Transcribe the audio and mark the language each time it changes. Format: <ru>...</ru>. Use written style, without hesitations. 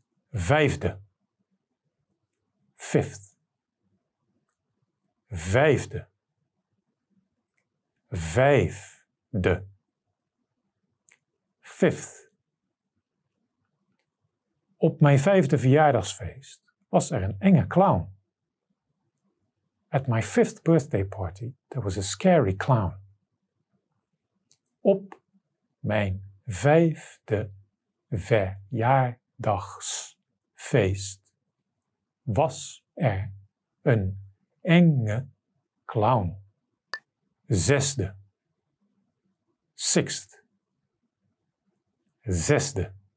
<nl>Vijfde.</nl> <en>Fifth.</en> <nl>Vijfde. Vijfde.</nl> <en>Fifth.</en> <nl>Op mijn vijfde verjaardagsfeest was er een enge clown.</nl> <en>At my fifth birthday party, there was a scary clown.</en> <nl>Op mijn vijfde verjaardagsfeest was er een enge clown. Zesde.</nl> <en>Sixth.</en> <nl>Zesde.</nl>